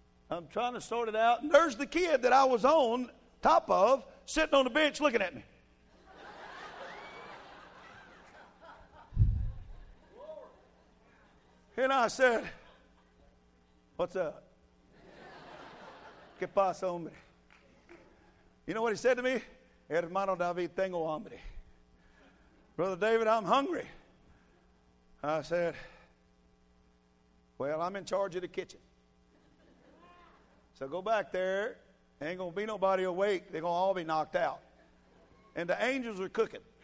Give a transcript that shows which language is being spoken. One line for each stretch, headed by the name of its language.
English: I'm trying to sort it out. And there's the kid that I was on top of sitting on the bench looking at me. And I said, what's up?
Spanish: ¿Qué pasa, hombre?
English: You know what he said to me?
Spanish: Hermano David, tengo hambre.
English: Brother David, I'm hungry. I said, well, I'm in charge of the kitchen. So go back there. Ain't going to be nobody awake. They're going to all be knocked out. And the angels are cooking.